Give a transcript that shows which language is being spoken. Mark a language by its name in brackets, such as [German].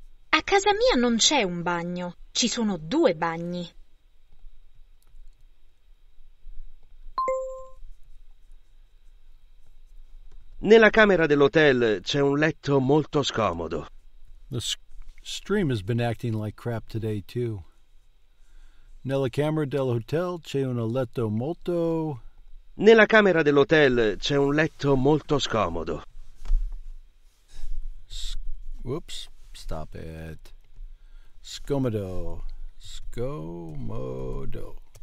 [Italian] A casa mia non c'è un bagno, ci sono due bagni. Nella camera dell'hotel c'è un letto molto scomodo. [English] The stream has been acting like crap today too. [Italian] Nella camera dell'hotel c'è un letto molto. Nella camera dell'hotel c'è un letto molto scomodo. [English] Oops, stop it. Scomodo. [Italian] Scomodo.